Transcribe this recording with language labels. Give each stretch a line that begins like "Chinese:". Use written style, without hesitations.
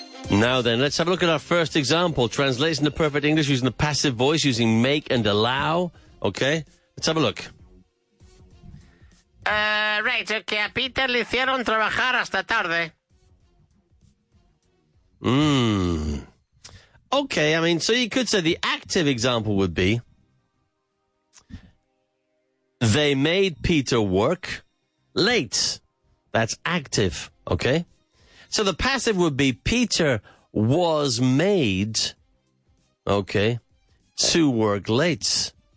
English: Now then, let's have a look at our first example. Translates into perfect English using the passive voice, using make and allow. Okay, let's have a look.
Spanish: Right, okay. A Peter le hicieron trabajar hasta tarde.
English: Okay, I mean, so you could say the active example would be they made Peter work late. That's active, okay? So the passive would be Peter was made, okay, to work late.